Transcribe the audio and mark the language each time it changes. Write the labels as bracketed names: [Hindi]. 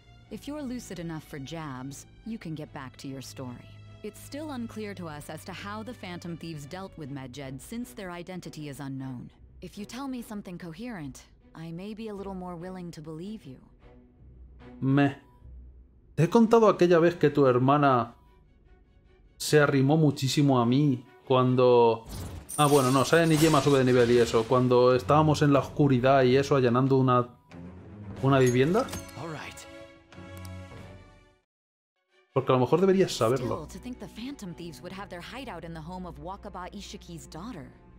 [English] If you're lucid enough for jabs, you can get back to your story. It's still unclear to us as to how the Phantom Thieves dealt with Medjed since their identity is unknown. If you tell me something coherent, I may be a little more willing to believe you. Meh. [Spanish] ¿Te he contado aquella vez que tu hermana se arrimó muchísimo a mí cuando... Ah, bueno, no, Saiyan y Yema sube de nivel y eso. Cuando estábamos en la oscuridad y eso, allanando una vivienda? Porque a lo mejor deberías saberlo. [English] Still, to think the Phantom Thieves would have their hideout in the home of Wakaba Ishiki's daughter.